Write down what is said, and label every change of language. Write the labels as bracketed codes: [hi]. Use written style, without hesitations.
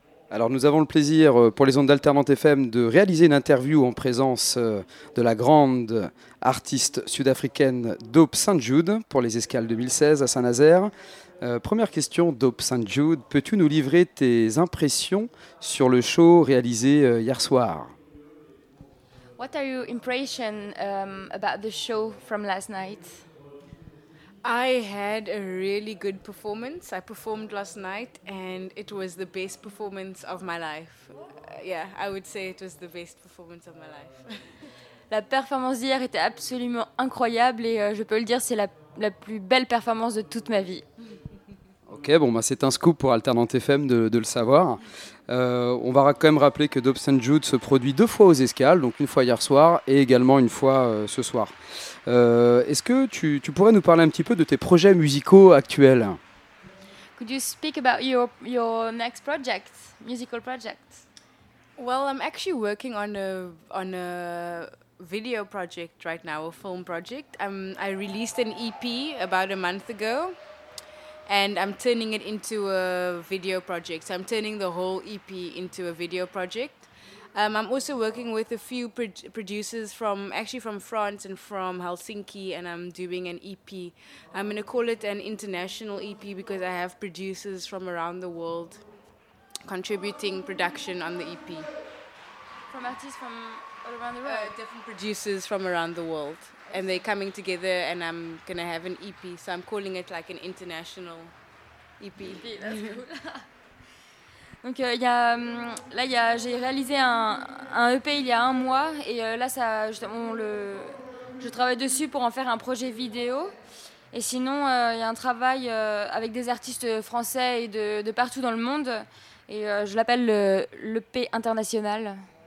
[fr] Alors nous avons le plaisir pour les ondes d'Alternante FM de réaliser une interview en présence de la grande artiste sud-africaine Dope St. Jude pour les escales 2016 à Saint-Nazaire. Première question, Dope St. Jude, peux-tu nous livrer tes impressions sur le show réalisé hier soir? [en] What are your impression about the show from last night? I had a really good performance. I performed last night and it was the best performance of my life. I would say it was the best performance of my life. [fr] La performance d'hier était absolument incroyable et je peux le dire, c'est la plus belle performance de toute ma vie. Ok, bon, bah, c'est un scoop pour Alternante FM de le savoir. On va quand même rappeler que Dope St. Jude se produit deux fois aux escales, donc une fois hier soir et également une fois ce soir. Est-ce que tu pourrais nous parler un petit peu de tes projets musicaux actuels? [en] Could you speak about your next project, musical project? Well, I'm actually working on a video project right now, a film project. I released an EP about a month ago. And I'm turning it into a video project. So I'm turning the whole EP into a video project. I'm also working with a few producers from France and from Helsinki, and I'm doing an EP. I'm going to call it an international EP because I have producers from around the world contributing production on the EP. From artists from all around the world? Different producers from around the world. And they're coming together and I'm going to have an EP. So I'm calling it like an international EP. [fr] Donc j'ai réalisé un EP il y a un mois et là ça justement je travaille dessus pour en faire un projet vidéo. Et sinon il y a un travail avec des artistes français et de partout dans le monde et je l'appelle l'EP international.